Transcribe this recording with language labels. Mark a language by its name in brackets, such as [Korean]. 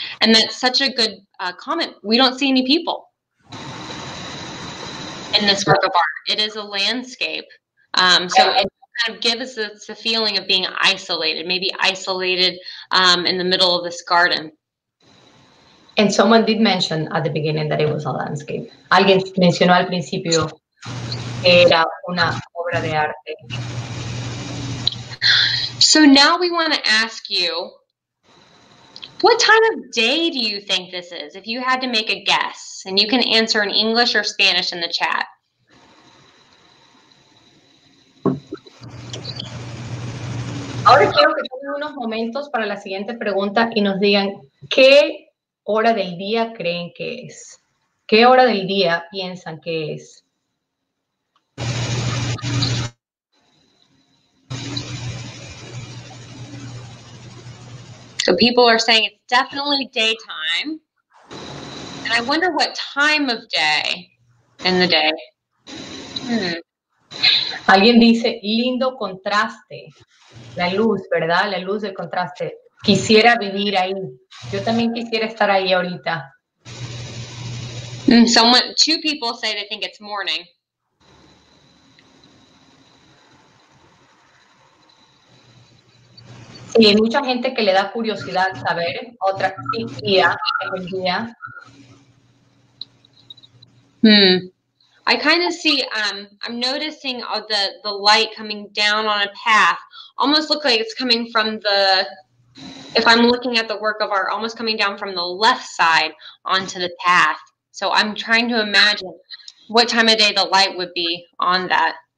[English] And that's such a good comment. We don't see any people in this work of art. It is a landscape. Kind of give us the feeling of being isolated, maybe isolated in the middle of this garden. And someone did mention at the beginning that it was a landscape. [Spanish] Alguien mencionó al principio que era una obra de arte. [English] So now we want to ask you, what time of day do you think this is? If you had to make a guess, and you can answer in English or Spanish in the chat. [Spanish] Ahora quiero que tomen unos momentos para la siguiente pregunta y nos digan qué hora del día creen que es. ¿Qué hora del día piensan que es? [English] So people are saying it's definitely daytime. And I wonder what time of day in the day. [Spanish] Alguien dice, lindo contraste, la luz, ¿verdad? La luz del contraste. Quisiera vivir ahí. Yo también quisiera estar ahí ahorita. [English] Someone, two people say they think it's morning. [Spanish] Sí, hay mucha gente que le da curiosidad saber otra día, el día. [English] I kind of see, I'm noticing the light coming down on a path, almost look like it's coming from the, if I'm looking at the work of art, almost coming down from the left side onto the path. So I'm trying to imagine what time of day the light would be on that.